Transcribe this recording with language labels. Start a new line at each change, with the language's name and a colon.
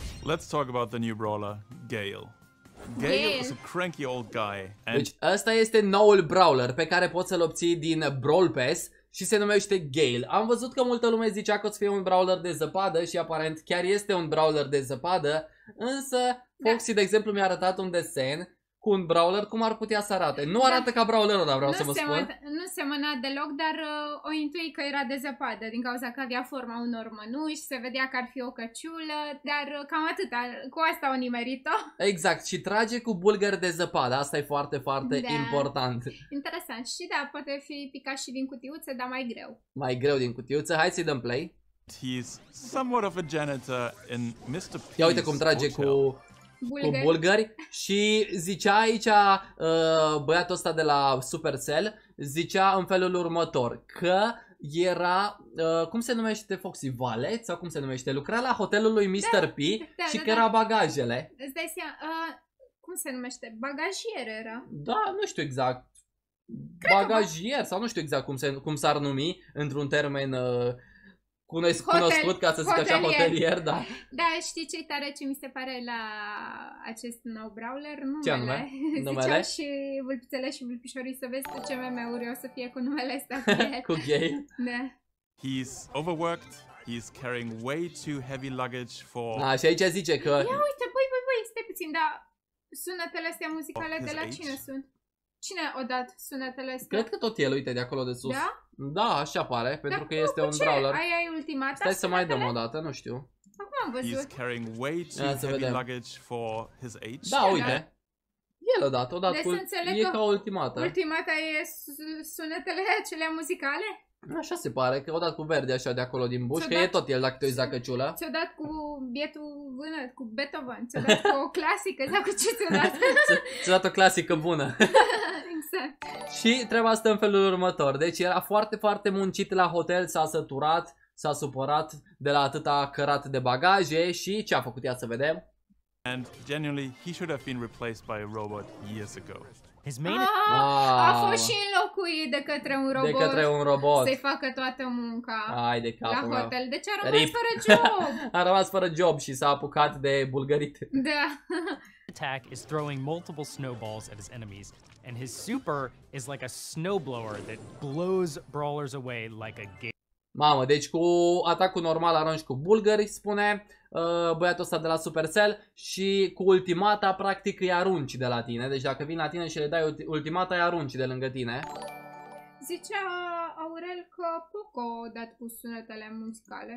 English: Let's talk about the new brawler, Gale. Gale is a cranky old guy. And...
Romanian: deci ăsta este noul brawler pe care poți să-l obții din Brawl Pass și se numește Gale. Am văzut că multă lume zicea că o să fie un brawler de zăpadă și aparent chiar este un brawler de zăpadă, însă Foxy, de exemplu, mi-a arătat un desen cu un brawler, cum ar putea să arate? Nu arată ca brawlerul ăla, vreau să vă spun. Nu semăna deloc, dar o intui că era de zăpadă, din cauza că avea forma unor mănuși, se vedea că ar fi o căciulă, dar cam atât, cu asta o nimerit-o. Exact, și trage cu bulgări de zăpadă, asta e foarte, foarte important. Interesant, și da, poate fi picat și din cutiuță, dar mai greu. Mai greu din cutiuță, hai să-i dăm play.
English: He's somewhat of a janitor in Mr.
Romanian: Ia uite cum trage cu... bulgări. Cu bulgări. Și zicea aici băiatul ăsta de la Supercell, zicea în felul următor că era, cum se numește, Foxy, valet sau cum se numește, lucra la hotelul lui Mr. Da, P, da, și da, că da, era bagajele. Îți dai seama, cum se numește, bagajier era? Da, nu știu exact. Bagajier sau nu știu exact cum s-ar numi într-un termen... cunoscut, ca să zic hotelier. Așa, hotelier, da. Da, știi ce-i tare, ce mi se pare la acest nou brawler? Numele. Ce anume? Numele? Ziceam și vulpițele și vulpișorii să vezi ce meme-uri o să fie cu numele ăsta. Cu Gale? Da.
English: He's overworked, he's carrying way too heavy luggage for...
Romanian: Da, și aici zice că... Ia uite, băi, stai puțin, dar sunetele astea muzicale de la
English: age?
Romanian: Cine sunt? Cine a dat sunetele astea? Cred că tot el, uite, de acolo de sus. Da? Da, așa pare, pentru dar că este un brawler. Dar ai ultimata? Stai să mai dăm o dată, nu știu. Acum am văzut.
English: He's carrying way too heavy luggage for his age.
Romanian: Da, uite. El a dat, deci e ca ultimata. Ultimata e sunetele acelea muzicale? Așa se pare, că o dat cu verde așa de acolo din bușcă, e tot el dacă te uiți la căciulă. Ți-o dat cu bietul bună, cu Beethoven, ți-o dat cu o clasică, sau cu ce ți-o dat? Ți-o dat o clasică bună. Exact. Și treaba asta în felul următor, deci era foarte, foarte muncit la hotel, s-a săturat, s-a supărat de la atâta cărat de bagaje și ce a făcut, ia să vedem.
English: And genuinely, he should have been replaced by a robot years ago.
Romanian: A fost și înlocuit de către un robot. De către un robot. Să-i facă toată munca. Hai de capul la hotel. De ce a rămas fără job? A rămas fără job și s-a apucat de bulgărite. Da.
English: Attack is throwing multiple snowballs at his enemies and his super is like a snowblower that blows brawlers away like a game.
Romanian: Mamă, deci cu atacul normal arunci cu bulgări, spune băiatul ăsta de la Supercell, și cu ultimata practic îi arunci de la tine. Deci dacă vin la tine și le dai ultimata, îi arunci de lângă tine. Zicea Aurel că Poco a dat cu sunetele muzicale.